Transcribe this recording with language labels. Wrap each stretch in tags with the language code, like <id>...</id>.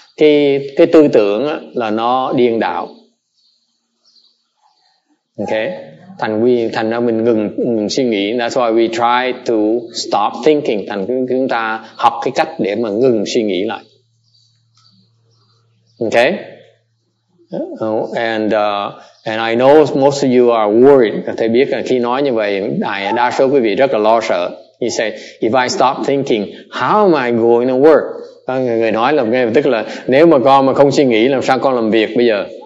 <vi>Cái tư tưởng là nó điên đảo.</vi> <en>Okay?</en> <vi>Thành ra mình ngừng suy nghĩ.</vi> <en>That's why we try to stop thinking.</en> <vi>Thành chúng ta học cái cách để mà ngừng suy nghĩ lại.</vi> <en>Okay? And I know most of you are worried.</en> <vi>Thầy biết là khi nói như vậy, đa số quý vị rất là lo sợ.</vi> <en>He said, if I stop thinking, how am I going to work?</en> <vi>Người nói là, tức là, nếu mà con mà không suy nghĩ, làm sao con làm việc bây giờ?</vi>